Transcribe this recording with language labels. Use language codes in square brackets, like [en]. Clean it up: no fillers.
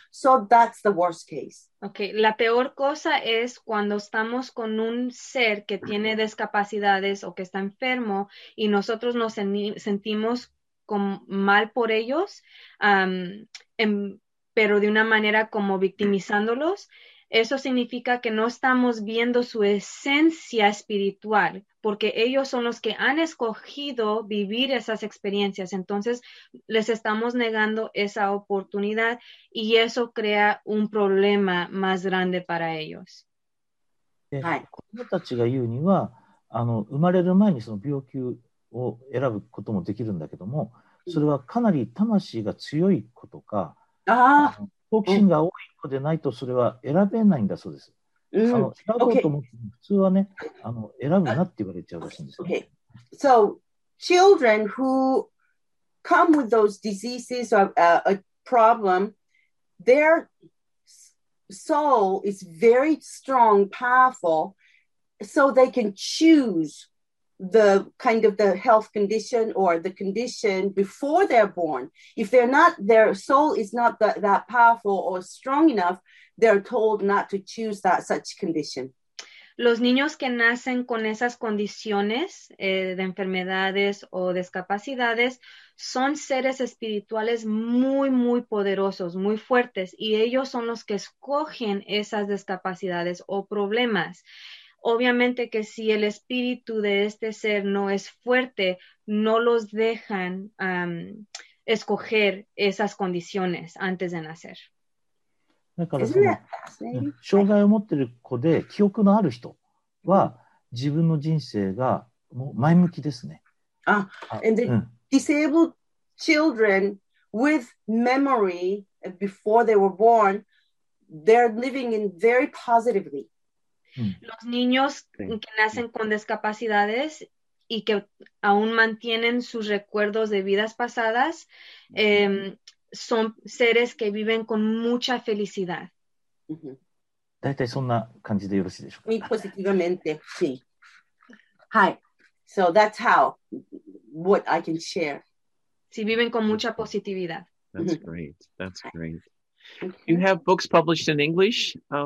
[en] So that's the worst case. [es] Okay, la peor cosa es cuando estamos con un ser que tiene discapacidades o que está enfermo y nosotros nos sentimos con, mal por ellos, pero de una manera como victimizándolos. Eso significa que no estamos viendo su esencia espiritual, porque ellos son los que han escogido vivir esas experiencias. Entonces, les estamos negando esa oportunidad y eso crea un problema más grande para ellos. Con los que dicen, [ja] 生まれる前にその病気を選ぶこともできるんだけども、それはかなり魂が強いことか、好奇心が多い子でないとそれは選べないんだそうです。選ぼうと思っても普通はね、選ぶなって言われちゃうらしいんですよ。 [en] So, children who come with those diseases or a problem, their soul is very strong, powerful, so they can choose the kind of the health condition or the condition before they're born. If they're not, their soul is not that powerful or strong enough, they're told not to choose that such condition. [es] Los niños que nacen con esas condiciones de enfermedades o discapacidades son seres espirituales muy, muy poderosos, muy fuertes, y ellos son los que escogen esas discapacidades o problemas. Obviamente que si el espíritu de este ser no es fuerte, no los dejan escoger esas condiciones antes de nacer. [ja] だからその、障害を持っている子で記憶のある人は自分の人生がもう前向きですね。 [en] And the disabled children with memory before they were born, they're living in very positively. [es] Los niños que nacen con discapacidades y que aún mantienen sus recuerdos de vidas pasadas son seres que viven con mucha felicidad. [ja] だいたいそんな感じでよろしいでしょうか? [es] Muy positivamente, sí. [en] Hi. So that's how, what I can share. [es] Sí, viven con mucha positividad. [en] That's great. That's great. Do you have books published in English?